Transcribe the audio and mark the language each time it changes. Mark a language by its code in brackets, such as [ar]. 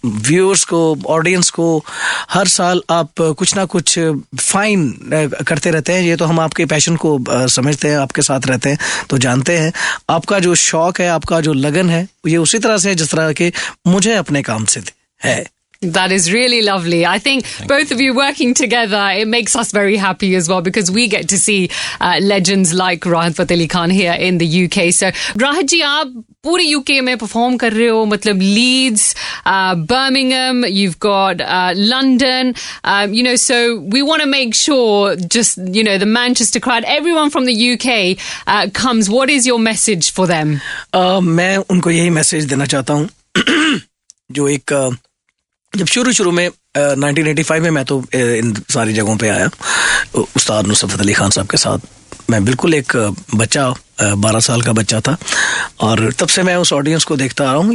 [hi] Viewers ko, audience ko, har saal aap kuch na kuch fine करते रहते हैं. ये तो हम आपके पैशन को समझते हैं, आपके साथ रहते हैं तो जानते हैं. आपका जो शौक है, आपका जो लगन है, ये उसी तरह से है जिस तरह के मुझे अपने काम से है. [en] That is really lovely. I think Thank both you. Of you working together, it makes us very happy as well, because we get to see legends like Rahat Fateh Ali Khan here in the UK. So Rahat ji, [hi] aap pure UK mein perform kar rahe ho, [en] matlab Leeds, Birmingham, you've got London, you know, so we want to make sure, just, you know, the Manchester crowd, everyone from the UK comes. What is your message for them? [hi] Main unko yahi message dena chahta hu jo ek जब शुरू में 1985 में मैं तो इन सारी जगहों पे आया उस्ताद नुसरत फतेह अली खान साहब के साथ. मैं बिल्कुल एक बच्चा, 12 साल का बच्चा था, और तब से मैं उस ऑडियंस को देखता आ रहा हूँ.